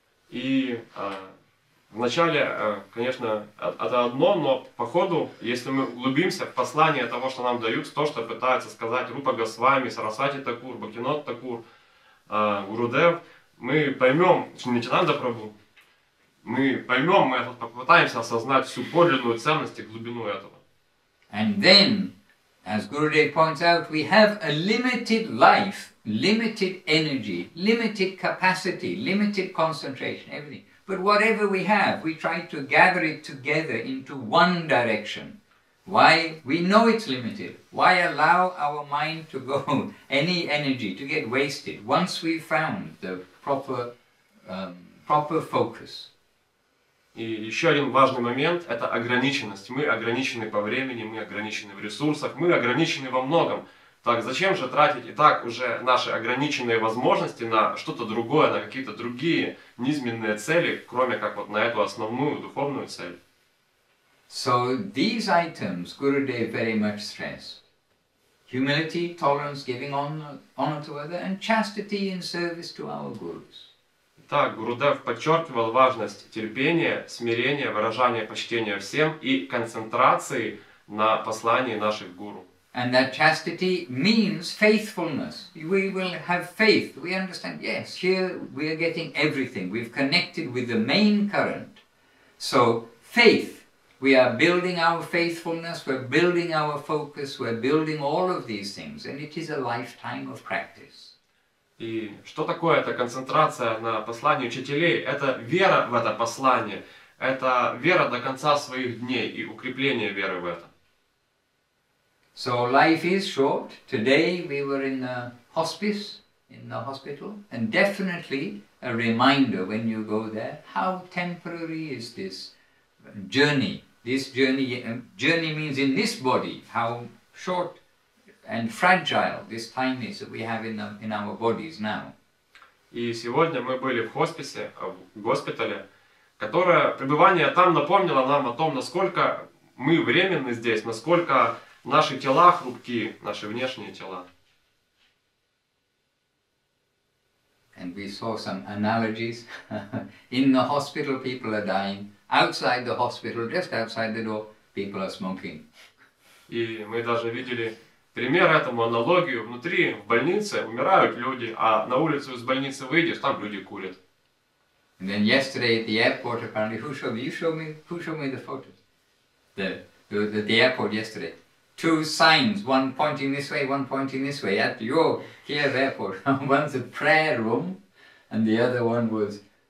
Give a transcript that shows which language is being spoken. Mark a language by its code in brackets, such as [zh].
[ru] И вначале, конечно, это одно, но по ходу, если мы углубимся в послание того, что нам дают, то, что пытается сказать Рупа Госвами, Сарасвати Такур, Бхактинод Такур, Гурудев, мы поймем, Нитянанда Прабху, мы поймем, мы попытаемся осознать всю подлинную ценность и глубину этого. [en] And then, as Gurudev points out, we have a limited life, limited energy, limited capacity, limited concentration, everything. But whatever we have, we try to gather it together into one direction. Why? We know it's limited. Why allow our mind to go, any energy, to get wasted, once we've found the proper focus? [ru] И еще один важный момент – это ограниченность. Мы ограничены по времени, мы ограничены в ресурсах, мы ограничены во многом. Так зачем же тратить и так уже наши ограниченные возможности на что-то другое, на какие-то другие низменные цели, кроме как вот на эту основную духовную цель? [en] So these items Gurudev very much stress. Humility, tolerance, giving honor to others, and chastity in service to our gurus. [ru] Так, Гурудев подчеркивал важность терпения, смирения, выражения почтения всем и концентрации на послании наших гуру. [en] And that chastity means faithfulness. We will have faith. We understand, yes, here we are getting everything. We've connected with the main current. So, faith. We are building our faithfulness, we're building our focus, we're building all of these things. And it is a lifetime of practice. [ru] И что такое эта концентрация на послании учителей? Это вера в это послание. Это вера до конца своих дней и укрепление веры в это. [en] So life is short. Today we were in the hospice, in the hospital. And definitely a reminder when you go there, how temporary is this journey. This journey means in this body, how short and fragile this time is that we have in our bodies now. [ru] И сегодня мы были в хосписе, в госпитале, которое пребывание там напомнило нам о том, насколько мы временны здесь, насколько наши тела хрупки, наши внешние тела. [en] And we saw some analogies. In the hospital people are dying. Outside the hospital, just outside the door, people are smoking. [ru] И мы даже видели пример этому, аналогию, внутри, в больнице, умирают люди, а на улицу из больницы выйдешь, там люди курят. [en] And then yesterday at the airport, apparently, who showed me the photos? The airport yesterday. Two signs, one pointing this way, one pointing this way, at your Kiev airport. One's a prayer room, and the other one was